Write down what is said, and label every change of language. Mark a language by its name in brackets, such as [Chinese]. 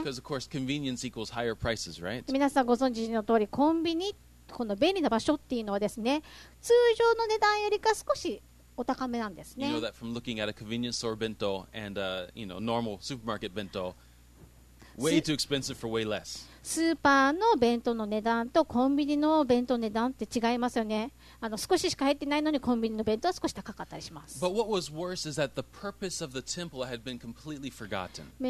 [English] Course, prices, right? [Japanese] 皆さんご存知の通り、コンビニこの便利な場所っていうのはですね、通常の値段よりか少しお高めなんですね。 [English] You know that from looking at a convenience store bento and a you know normal supermarket bento, way too expensive for way less. [Japanese] スーパーの弁当の値段とコンビニの弁当の値段って違いますよね。少ししか入ってないのにコンビニの弁当は少し高かったりします。 [English] But what was worse is that the purpose of the temple had been completely forgotten.